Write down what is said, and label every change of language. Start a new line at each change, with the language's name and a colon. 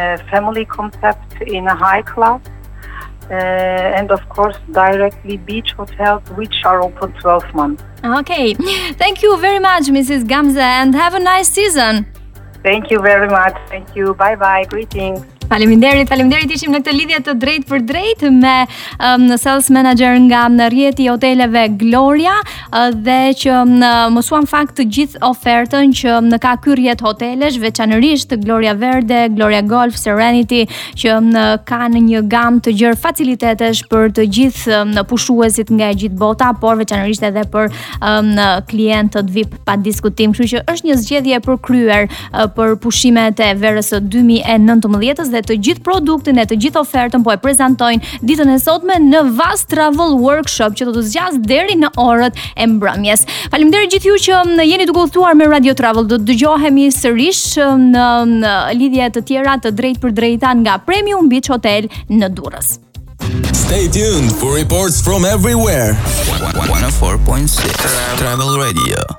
English: Family concept in a high class, and of course directly beach hotels which are open 12 months. Okay, thank you very much Mrs. Gamze and have a nice season. Thank you very much, thank you, bye bye, greetings.
Albanian: Faleminderit, ishim në këtë lidhje të drejtë për drejtë me sales manager nga rrjeti i hoteleve Gloria dhe që mësuam fakt të gjithë ofertën që ka ky rrjet hotelesh, veçanërisht Gloria Verde, Gloria Golf, Serenity, që kanë një gamë të gjerë facilitetesh për të gjithë pushuesit nga e gjithë bota, por veçanërisht edhe për klientët VIP pa diskutim. Kështu që është një zgjedhje për kryer për pushimet e verës 2019 dhe të gjithë produktin e të gjithë ofertën po e prezantojnë ditën e sotme në Vas Travel Workshop që do të zgjas deri në orët e mbrëmjes. Faleminderit gjithë ju që jeni duke u ftuar me Radio Travel. Do të dëgjohemi sërish në lidhje të tjera të drejtë për drejta nga Premium Beach Hotel në Durrës.
English: Stay tuned for reports from everywhere. 104.6 Travel Radio.